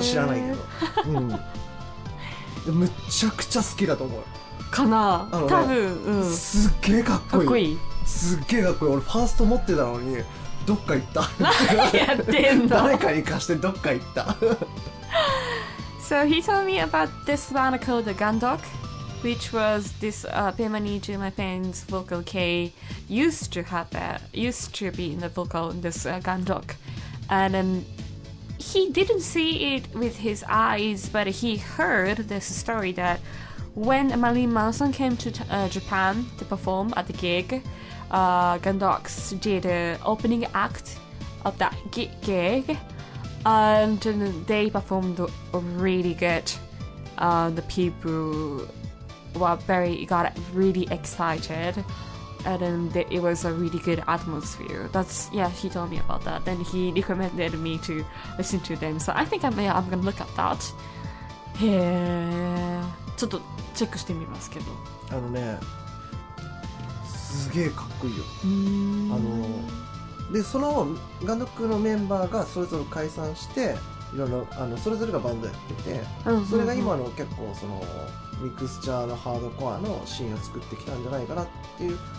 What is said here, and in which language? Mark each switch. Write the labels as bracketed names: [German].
[Japanese] 俺は知らないけど、うん、むちゃくちゃ好きだと思うかな、ね、多分、うん、すっげえかっこいい、かっこいい、すっげえかっこいい。俺ファースト持ってたのにどっか行った。何やってんの。誰かに貸してどっか行った。 [English] So he told me about this band called the Gundog, which was this Pay Money to My Pain's vocal K used to be in the vocal in this Gundog, and then he didn't see it with his eyes, but he heard this story that when Marilyn Manson came to Japan to perform at the gig, Gundog did an opening act of that gig, and they performed really good. The people got really excited, and then it was a really good atmosphere. That's, yeah, he told me about that. Then he recommended me to listen to them. So I think I'm gonna look at that. Yeah. [Japanese] ちょっとチェックしてみますけど。あのね、すげえかっこいいよ。あの、でそのガンドックのメンバーがそれぞれ解散して、いろいろあのそれぞれがバンドやってて、それが今の結構そのミクスチャーのハードコアのシーンを作ってきたんじゃないかなっていう。